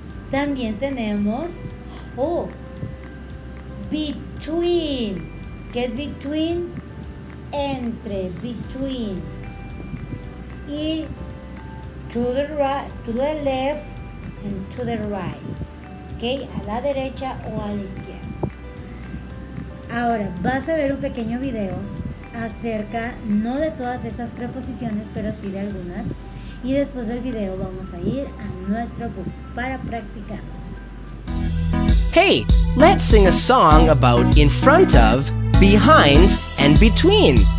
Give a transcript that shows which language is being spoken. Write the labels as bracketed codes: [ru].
[es] También tenemos, oh, between. ¿Qué es between? Entre, between. [en] Y to the right, to the left, and to the right. [es] Okay, a la derecha o a la izquierda. Ahora, vas a ver un pequeño video acerca, no de todas estas preposiciones, pero sí de algunas. Y después del video vamos a ir a nuestro book para practicar. [en] Hey, let's sing a song about in front of, behind, and between.